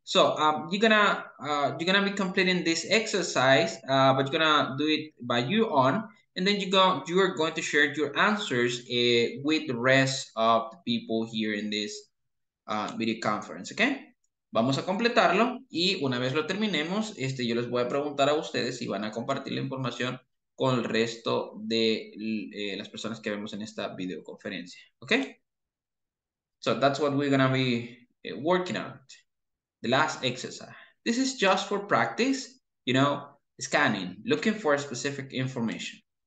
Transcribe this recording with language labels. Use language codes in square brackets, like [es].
[en] So, you're gonna be completing this exercise, but you're gonna do it by your own. And then you are going to share your answers with the rest of the people here in this video conference, okay? [es] Vamos a completarlo y una vez lo terminemos, yo les voy a preguntar a ustedes si van a compartir la información con el resto de las personas que vemos en esta videoconferencia. [en] Okay? So that's what we're gonna be working on. The last exercise. This is just for practice, you know, scanning, looking for specific information.